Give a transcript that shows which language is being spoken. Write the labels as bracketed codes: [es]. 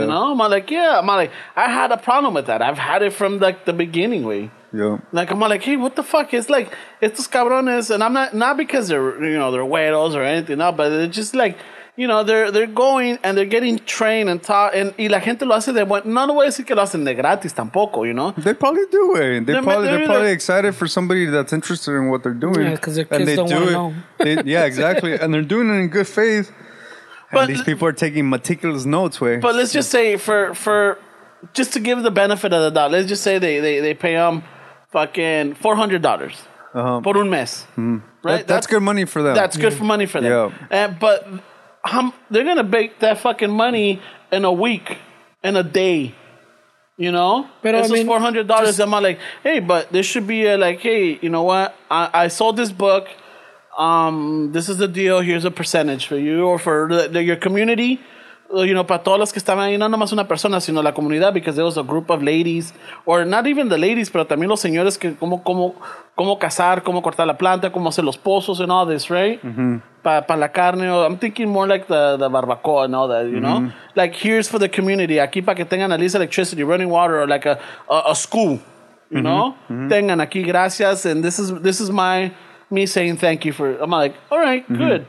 [en] You know, I'm like, I had a problem with that. I've had it from like the beginning, way. Yeah. Like, I'm like, hey, what the fuck? It's like, [es] estos cabrones, [en] and I'm not because they're, you know, they're güeros or anything, no, but it's just like, you know, they're going and they're getting trained and taught, and [es] y la gente lo hace de buen. No, no voy a decir que lo hacen de gratis tampoco, you know. [en] They probably do it. They're probably excited for somebody that's interested in what they're doing. Yeah, because their kids don't want to know. Yeah, exactly. And they're doing it in good faith. But, and these people are taking meticulous notes, way. But let's just say for just to give the benefit of the doubt, let's just say they pay them fucking $400 [es] por un mes. [en] Mm. Right? That's good money for them. That's good for money for them. Yeah. But they're going to make that fucking money in a week, in a day, you know? But this is $400. I'm like, hey, but this should be you know what? I sold this book. This is the deal. Here's a percentage for you or for your community. You know, [es] para todas las que estaban ahí, no nomás una persona, sino la comunidad, [en] because there was a group of ladies, or not even the ladies, [es] pero también los señores que cómo cazar, cómo cortar la planta, cómo hacer los pozos [en] and all this, right? Mm-hmm. [es] Pa la carne, [en] or I'm thinking more like the barbacoa and all that, you mm-hmm. know? Like, here's for the community, [es] aquí para que tengan [en] at least electricity, running water, or like a school, you mm-hmm. know? Mm-hmm. [es] Tengan aquí, gracias, [en] and this is my... Me saying thank you for... I'm like, all right, mm-hmm. good.